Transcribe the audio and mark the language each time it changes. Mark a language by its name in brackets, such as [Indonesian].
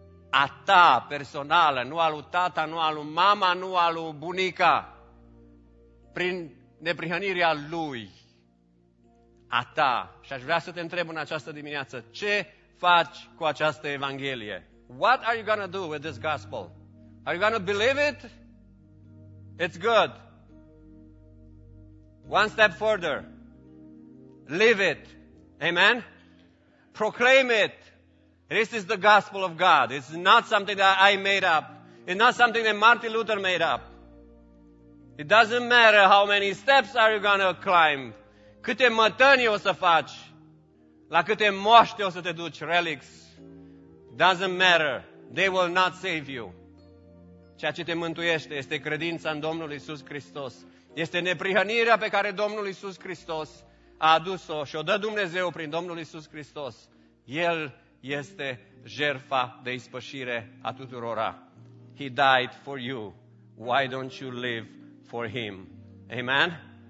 [Romanian] A ta personală, nu a lui tata, nu a lui mama, nu a lui bunica. Prin neprihănirea lui. A ta. Și aș vrea să te întreb în această dimineață, ce faci cu această evanghelie? [English] What are you gonna do with this gospel? Are you gonna believe it? It's good. One step further. Live it. Amen? Proclaim it. This is the gospel of God. It's not something that I made up. It's not something that Martin Luther made up. It doesn't matter how many steps are you gonna climb. [Romanian] Câte mătănii o să faci. La câte moaște o să te duci, relics. [English] Doesn't matter. They will not save you. [Romanian] Ceea ce te mântuiește este credința în Domnul Iisus Hristos. Este neprihănirea pe care Domnul Iisus Hristos a adus-o și o dă Dumnezeu prin Domnul Iisus Hristos. El este jertfa de ispășire a tuturora. [English] He died for you. Why don't you live for him? Amen?